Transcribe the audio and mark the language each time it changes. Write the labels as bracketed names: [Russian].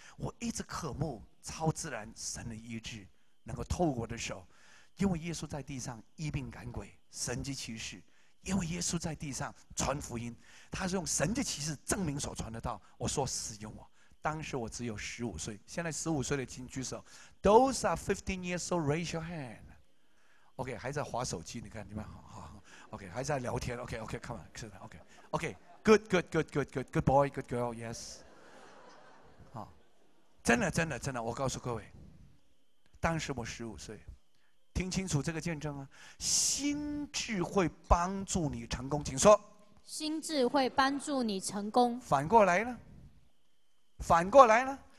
[Chinese] 我一直渴慕超自然神的医治能够透过我的手，因为耶稣在地上医病赶鬼，神迹奇事，因为耶稣在地上传福音，他是用神迹奇事证明所传的道。我说使用我，当时我只有15岁，现在15岁的请举手。 [English] Those are 15 years old, raise your hand. [Chinese] OK, 还在滑手机，你看你们好好OK, 还在聊天。 [English] OK, OK, come on, OK, OK, good, good, good, good, good, good, good boy, good girl, yes. [Chinese] 好，真的，真的，真的，我告诉各位，当时我15岁，听清楚这个见证啊，心智会帮助你成功，请说。心智会帮助你成功。反过来呢？